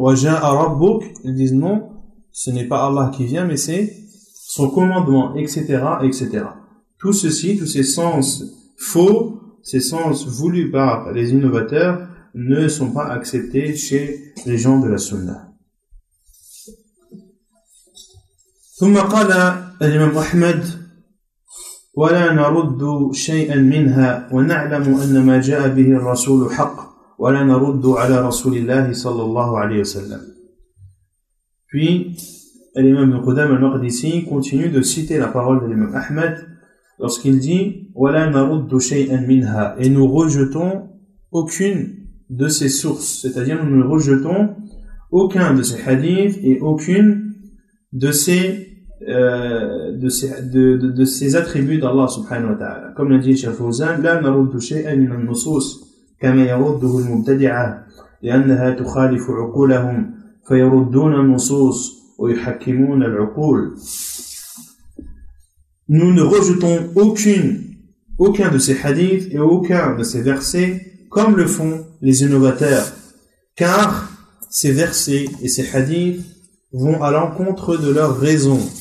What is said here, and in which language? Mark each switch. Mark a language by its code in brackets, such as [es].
[ar] Wa ja'a rabbuk, [fr] ils disent non, ce n'est pas Allah qui vient, mais c'est son commandement, etc., etc. Tout ceci, tous ces sens faux, ces sens voulus par les innovateurs, ne sont pas acceptés chez les gens de la Sunna. [ar] ثم قال الإمام أحمد ولا نرد شيئا منها ونعلم أن ما جاء به الرسول حق ولا نرد على رسول الله صلى الله عليه وسلم. [fr] Puis l'imam Qudam al-Maqdisi continue de citer la parole de l'imam Ahmed lorsqu'il dit [ar] ولا نرد شيئا منها, [fr] et nous rejetons aucune de ces sources, c'est-à-dire nous ne rejetons aucun de ces hadiths et aucune de ces attributs d'Allah subhanahu wa ta'ala. Comme l'a dit Cheikh Fawzan, [ar] لا نرد شيئا من النصوص كما يرده المبتدعة لأنها تخالف عقولهم فيردون النصوص ويحكمون العقول. [fr] Nous ne rejetons aucun de ces hadiths et aucun de ces versets comme le font les innovateurs, car ces versets et ces hadiths vont à l'encontre de leur raison.